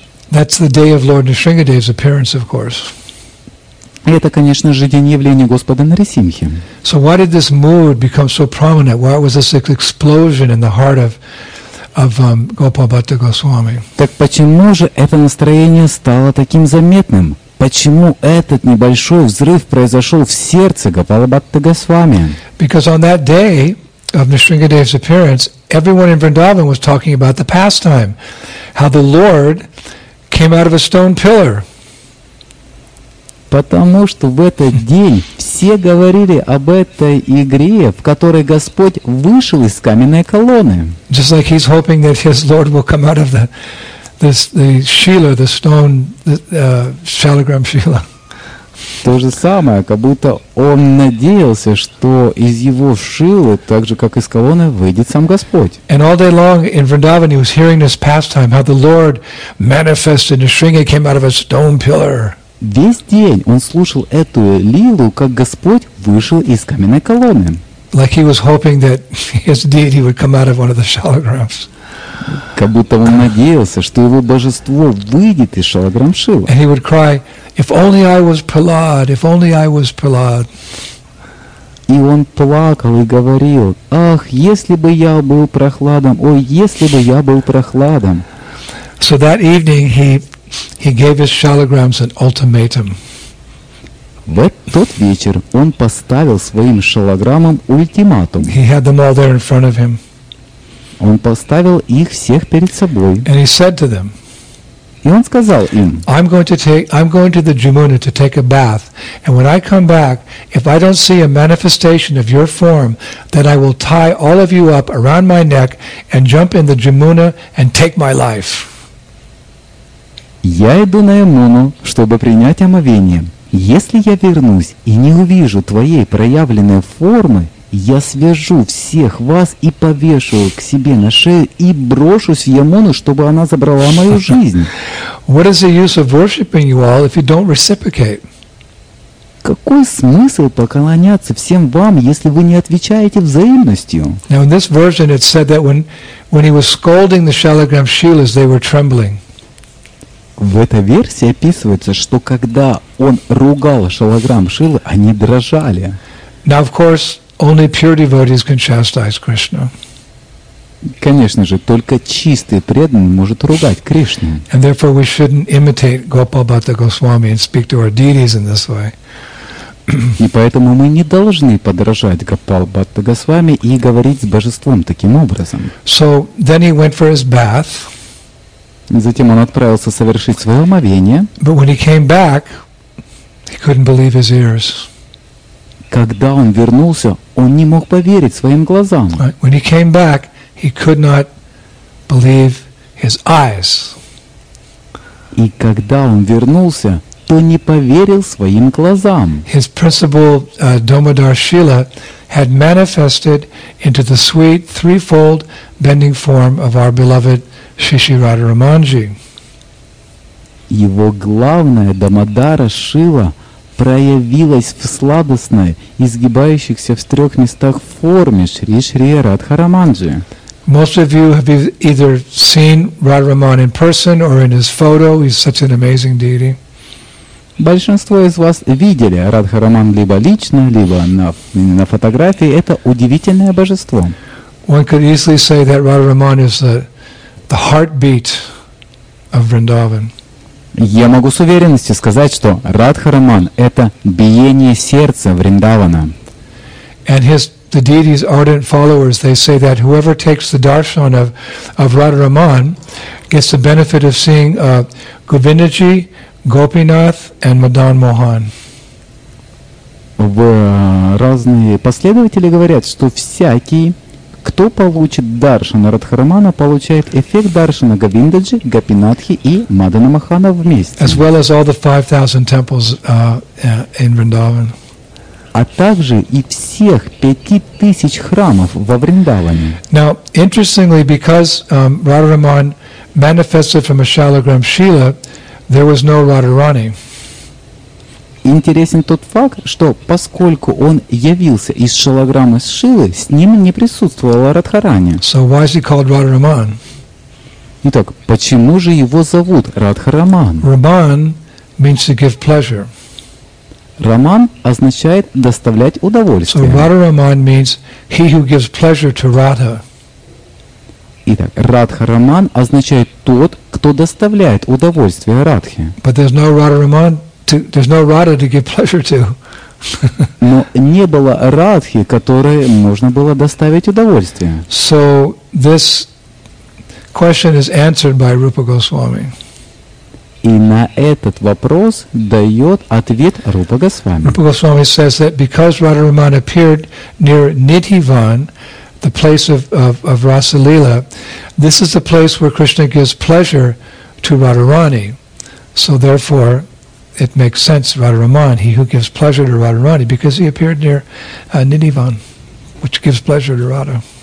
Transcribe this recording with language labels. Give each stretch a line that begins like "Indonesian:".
English: That's the day of Lord Nrisimhadeva's appearance, of course.
Russian: Это, конечно же, день явления Господа Нарисимхи.
English: So why did this mood become so prominent? Why was this explosion in the heart of Gopal Bhatta Goswami?
Russian: Так почему же это настроение стало таким заметным? Почему этот небольшой взрыв произошел в сердце Гопала Бхатты Госвами?
English: Because on that day of Nrisimhadeva's appearance, everyone in Vrindavan was talking about the pastime, how the Lord came out of a stone pillar.
Russian: Потому что в этот день все говорили об этой игре, в которой Господь вышел из каменной колонны.
English: Just like he's hoping that his Lord will come out of the Shila, the stone, Shalagram Shila.
Russian: То же самое, как будто он надеялся, что из его шилы, так же как из колонны, выйдет сам Господь.
English: And all day long in Vrindavan he was hearing this pastime, how the Lord manifested in Sringa, came out of a stone pillar.
Russian: Весь день он слушал эту лилу, как Господь вышел из каменной колонны.
English: Like he was hoping that his deity would come out of one of the shalagrams.
Russian: Как будто он надеялся, что его божество выйдет из шалаграм Шива.
English: And he would cry, if only I was Prahlad, if only I was Prahlad.
Russian: И он плакал и говорил, ах, если бы я был Прохладом, ой, если бы я был Прохладом.
English: So that evening he gave his shalagrams an ultimatum.
Russian: В тот вечер он поставил своим шалаграмам ультиматум.
English: He had them all there in front of him.
Russian: Он поставил их всех перед собой.
English: And he said to them,
Russian: и он сказал им,
English: I'm going to the Jamuna to take a bath, and when I come back, if I don't see a manifestation of your form, then I will tie all of you up around my neck and jump in the Jamuna and take my life.
Russian: Я иду на Ямуну, чтобы принять омовение. Если я вернусь и не увижу твоей проявленной формы, я свяжу всех вас и повешу к себе на шею и брошусь в Ямуну, чтобы она забрала мою жизнь. Какой смысл поклоняться всем вам, если вы не отвечаете взаимностью?
English: Now in this version it said that when he was scolding the Shalagram Shilas, they were trembling.
Russian: В этой версии описывается, что когда он ругал шалаграм шилы, они дрожали.
English: Now, of course, only pure devotees can chastise Krishna.
Russian: Конечно же, только чистый преданный может ругать Кришну.
English: And therefore we shouldn't imitate Gopabhatta Goswami and speak to our deities in this way.
Russian: И поэтому мы не должны подражать Гопабхатта Госвами и говорить с божеством таким образом.
English: So then he went for his bath.
Russian: Затем он отправился совершить свое омовение.
English: But when he came back, he couldn't believe his ears.
Russian: Когда он вернулся, он не мог поверить своим глазам.
English: When he came back, he could not believe his eyes.
Russian: И когда он вернулся, то не поверил своим глазам.
English: His principal Domodar Shila had manifested into the sweet threefold bending form of our beloved Шиши Радха Раманджи.
Russian: Его главная Домодара Шила проявилась в сладостной, изгибающейся в трех местах форме Шри Шри Радха Раманджи.
English: Most of you have either seen Radha Raman in person or in his photo. He's such an amazing deity.
Russian: Большинство из вас видели Радха Раман либо лично, либо на фотографии. Это удивительное божество.
English: One could easily say that Radha Raman is the heartbeat of Vrindavan.
Russian: Я могу с уверенностью сказать, что Радха Раман — это биение сердца Вриндавана.
English: And the deity's ardent followers, they say that whoever takes the darshan of Radha Raman gets the benefit of seeing Govindaji, Gopinath and Madan Mohan.
Russian: Разные последователи говорят, что всякий, кто получит даршана Радхарамана, получает эффект даршана Говиндаджи, Гопинатхи и Мадана Махана вместе.
English: As well as all the 5,000 temples in Vrindavan.
Russian: А также и всех 5,000 храмов во Вриндаване.
English: Now, interestingly, because Radharaman manifested from a Shalagram Shila, there was no Radharani.
Russian: Интересен тот факт, что поскольку он явился из шалаграмы Шилы, с ним не присутствовала Радхарани.
English: So why is he called Radha Raman?
Russian: Итак, почему же его зовут Радха Раман?
English: Raman means to give pleasure.
Russian: Раман означает доставлять удовольствие.
English: So Radha Raman means he who gives pleasure to Radha.
Russian: Итак, Радха Раман означает тот, кто доставляет удовольствие Радхе.
English: But there's no Radha Raman. There's no Radha to give pleasure to.
Russian: Но не было Радхи, которой можно было доставить удовольствие.
English: So this question is answered by Rupa Goswami.
Russian: И на этот вопрос дает ответ Рупа Госвами.
English: Rupa Goswami says that because Radharaman appeared near Nidhivan, the place of Rasa Lila, this is the place where Krishna gives pleasure to Radharani. So therefore, it makes sense, Radharaman, he who gives pleasure to Radharani, because he appeared near Nidhivan, which gives pleasure to Radha.